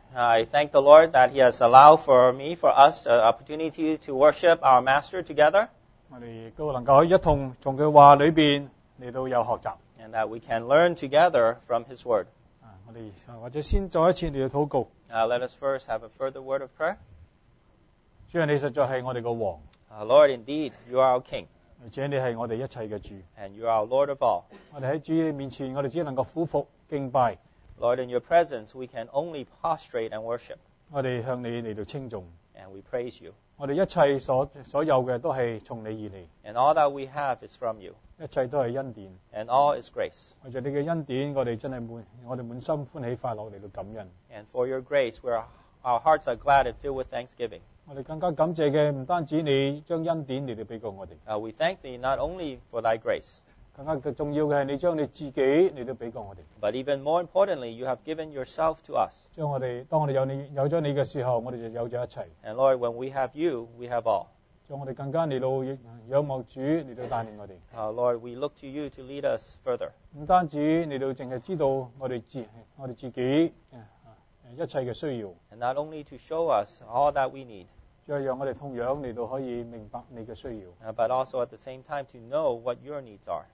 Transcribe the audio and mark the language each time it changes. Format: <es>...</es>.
<en>I thank the Lord that He has allowed for me, for us, the opportunity to worship our Master together.</en> <yue>我哋都能夠一同從佢話裏邊嚟到有學習。</yue> <en>And that we can learn together from His Word.</en> <yue>我哋或者先再一次嚟到禱告。</yue> <en>Let us first have a further word of prayer.</en> <yue>主啊，你實在係我哋嘅王。</yue> <en>Lord, indeed, you are our King.</en> <yue>而且你係我哋一切嘅主。</yue> <en>And you are our Lord of all.</en> <yue>我哋喺主面前，我哋只能夠俯伏敬拜。</yue> <en>Lord, in your presence, we can only prostrate and worship.</en> <yue>我哋向你嚟到稱重。</yue> <en>And we praise you.</en> <yue>我哋一切所有嘅都係從你而嚟。</yue> <en>And all that we have is from you.</en> <yue>一切都係恩典。</yue> <en>And all is grace.</en> <yue>我哋嘅恩典，我哋真係我哋滿心歡喜快樂嚟到感恩。</yue> <en>And for your grace, our hearts are glad and filled with thanksgiving.</en> <yue>我哋更加感謝嘅，唔單止你將恩典嚟到俾過我哋。</yue> <en>We thank thee not only for thy grace.</en> <yue>更加重要嘅係你將你自己嚟到俾過我哋。</yue> <en>But even more importantly, you have given yourself to us.</en> <yue>將我哋當我哋有咗你嘅時候，我哋就有咗一切。</yue> <en>And Lord, when we have you, we have all.</en> <yue>將我哋更加嚟到仰望主嚟到帶領我哋。</yue> <en>Lord, we look to you to lead us further.</en> <yue>唔單止嚟到淨係知道我哋自己一切嘅需要。</yue> <en>And not only to show us all that we need.</en> <yue>再讓我哋同樣嚟到可以明白你嘅需要。</yue> <en>But also at the same time to know what your needs are.</en>